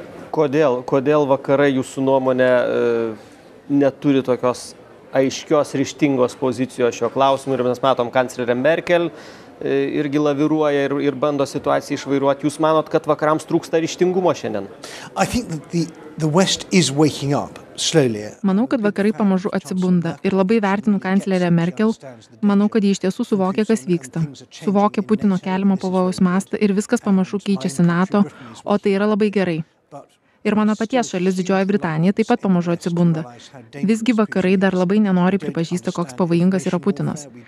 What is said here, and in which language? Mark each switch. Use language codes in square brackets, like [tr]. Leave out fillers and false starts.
[lt] Kodėl vakarai jūsų nuomonė neturi tokios aiškios ryštingos pozicijos šio klausimu ir mes matom kanclerę Merkel irgi laviruoja ir bando situaciją išvairuoti. Jūs manot, kad vakarams trūksta ryštingumo šiandien? [en] I think that the West is waking up. [lt] Manau, kad vakarai pamažu atsibunda ir labai vertinu kanclerę Merkel. Manau, kad jie iš tiesų suvokia, kas vyksta. Suvokia Putino keliamo pavojaus mastą ir viskas pamažu keičiasi NATO, o tai yra labai gerai. Ir mano paties šalis Didžioji Britanija taip pat pamažu atsibunda. Visgi vakarai dar labai nenori pripažįsti, koks pavojingas yra Putinas.